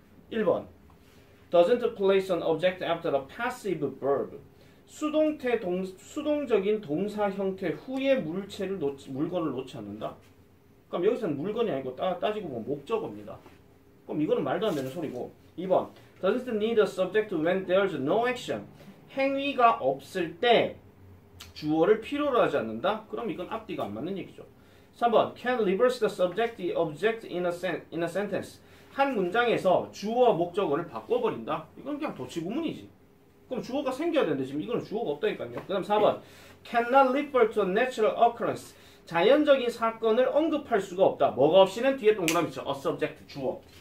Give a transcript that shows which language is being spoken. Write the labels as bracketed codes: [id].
[en] 1번 doesn't place an object after a passive verb. [ko] 수동적인 동사 형태 후에 물건을 놓지 않는다. 그럼 여기서는 물건이 아니고 따지고 보면 목적어입니다. 그럼 이거는 말도 안 되는 소리고. 2번. [en] Doesn't need a subject when there's no action. [ko] 행위가 없을 때 주어를 필요로 하지 않는다. 그럼 이건 앞뒤가 안 맞는 얘기죠. 3번. [en] Can reverse the subject, the object in a sentence. [ko] 한 문장에서 주어와 목적어를 바꿔버린다. 이건 그냥 도치구문이지. 그럼 주어가 생겨야 되는데 지금 이거는 주어가 없다니까요. 그 다음 [en] 4번 cannot refer to a natural occurrence. [ko] 자연적인 사건을 언급할 수가 없다. 뭐가 없이는 뒤에 동그라미 쳐. [en] a subject 주어.